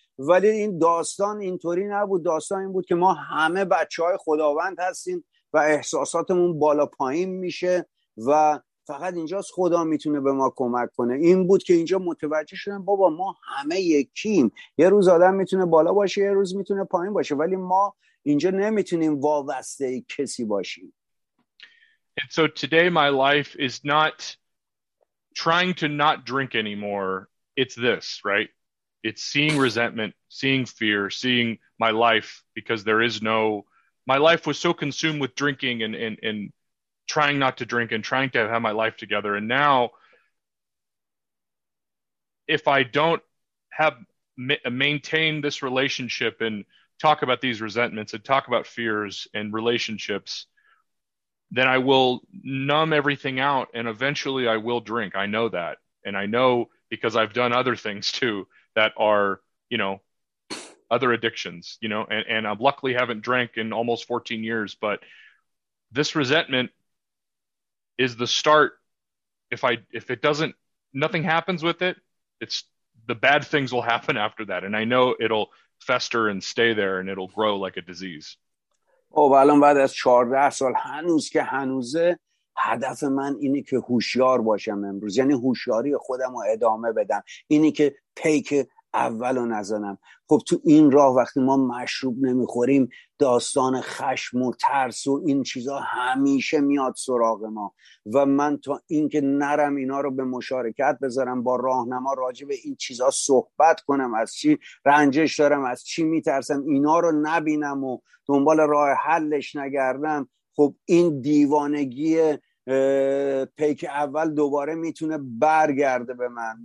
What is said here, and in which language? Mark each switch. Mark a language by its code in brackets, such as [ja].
[fa] ولی این داستان اینطوری نبود، داستان این بود که ما همه بچه های خداوند هستیم و احساساتمون بالا پایین میشه و فقط اینجاست خدا میتونه به ما کمک کنه. این بود که اینجا متوجه شدن بابا ما همه یکیم، یه روز آدم میتونه بالا باشه، یه روز میتونه پایین باشه، ولی ما اینجا نمیتونیم وابسته کسی باشیم. [en] And so today my life is not trying to not drink anymore. It's this, right? It's seeing resentment, seeing fear, seeing my life, because there is no, my life was so consumed with drinking and trying not to drink and trying to have my life together. And now if I don't have maintain this relationship and talk about these resentments and talk about fears and relationships, then I will numb everything out and eventually I will drink. I know that. And I know because I've done other things too that are, you know, other addictions, you know, and I luckily haven't drank in almost 14 years, but this resentment is the start. If it doesn't, nothing happens with it, it's the bad things will happen after that. And I know it'll fester and stay there and it'll grow like a disease. Oh, well, I'm bad as [fa] 14 سال هنوز که هنوزه هدف من اینه که هوشیار باشم امروز، یعنی هوشیاری خودم رو ادامه بدم، اینه که پیک اول رو نزنم. خب تو این راه وقتی ما مشروب نمیخوریم، داستان خشم و ترس و این چیزا همیشه میاد سراغ ما، و من تا اینکه نرم اینا رو به مشارکت بذارم، با راهنما راجع به این چیزا صحبت کنم، از چی رنجش دارم، از چی میترسم، اینا رو نبینم و دنبال راه حلش نگردم، خب این دیوانگی پیک اول دوباره میتونه برگرده به من.